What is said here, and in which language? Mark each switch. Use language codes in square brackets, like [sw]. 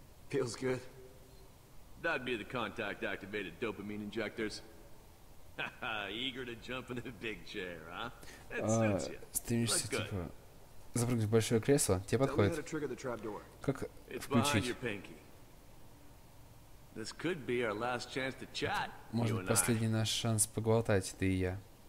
[en] Feels good. That'd be the contact-activated dopamine injectors. Eager to jump in the big chair, huh? That suits you. [ru] Стремишься, типа, запрыгнуть в большое кресло? Тебе подходит? Как включить? [en] This could be our last chance to chat. [ru] Может быть, последний наш шанс поболтать, ты и я.